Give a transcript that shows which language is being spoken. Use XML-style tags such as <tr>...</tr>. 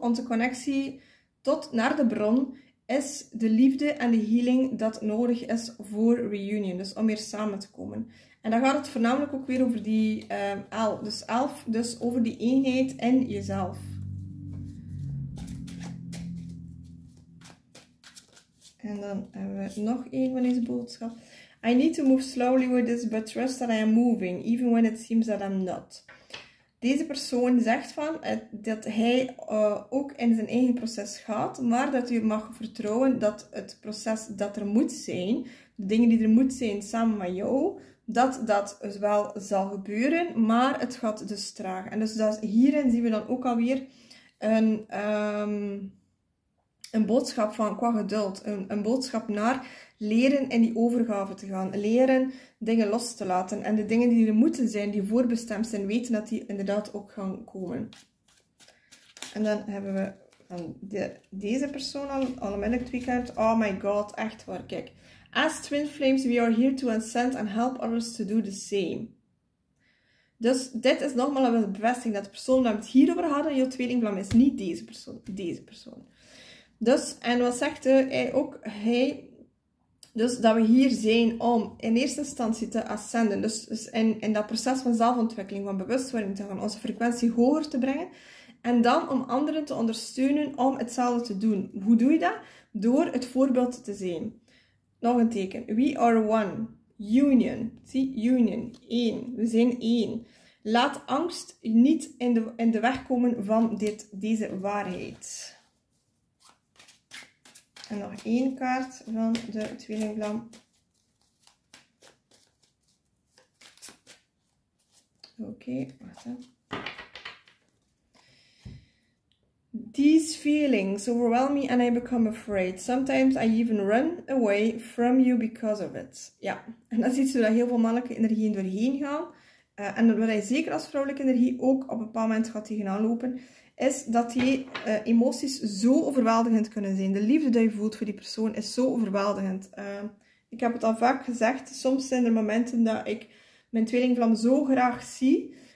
<nl>Onze connectie tot naar de bron is de liefde en de healing dat nodig is voor reunion. Dus om weer samen te komen. En dan gaat het voornamelijk ook weer over die L. Dus 11, dus over die eenheid in jezelf. En dan hebben we nog één van deze boodschap.</nl> <en>I need to move slowly with this, but trust that I am moving, even when it seems that I'm not.</en> <nl>Deze persoon zegt van dat hij ook in zijn eigen proces gaat, maar dat u mag vertrouwen dat het proces dat er moet zijn, de dingen die er moeten zijn samen met jou, dat dat wel zal gebeuren, maar het gaat dus traag. En dus dat, hierin zien we dan ook alweer een boodschap van qua geduld, een boodschap naar leren in die overgave te gaan, leren dingen los te laten en de dingen die er moeten zijn, die voorbestemd zijn, weten dat die inderdaad ook gaan komen. En dan hebben we van deze persoon al onmiddellijk twee kaarten.</nl> <en>Oh my god,</en> <nl>echt waar, kijk.</nl> <en>As twin flames, we are here to ascend and help others to do the same.</en> <nl>Dus dit is nogmaals een bevestiging dat de persoon waar we het hier over hadden, jouw tweelingvlam is niet deze persoon, deze persoon. Dus, en wat zegt hij ook? Hij, dus dat we hier zijn om in eerste instantie te ascenden. Dus in dat proces van zelfontwikkeling, van bewustwording te gaan, onze frequentie hoger te brengen. En dan om anderen te ondersteunen om hetzelfde te doen. Hoe doe je dat? Door het voorbeeld te zijn. Nog een teken.</nl> <en>We are one. Union. See? Union.</en> <nl>Eén. We zijn één. Laat angst niet in de weg komen van deze waarheid. En nog één kaart van de tweelingvlam. Oké, wacht even.</nl> <en>These feelings overwhelm me and I become afraid. Sometimes I even run away from you because of it.</en> <nl>Ja, en dan ziet ze dat heel veel mannelijke energieën doorheen gaan. En dat wil hij zeker als vrouwelijke energie ook op een bepaald moment gaat tegenaan lopen. Is dat die emoties zo overweldigend kunnen zijn. De liefde die je voelt voor die persoon is zo overweldigend. Ik heb het al vaak gezegd. Soms zijn er momenten dat ik mijn tweelingvlam zo graag zie.</nl>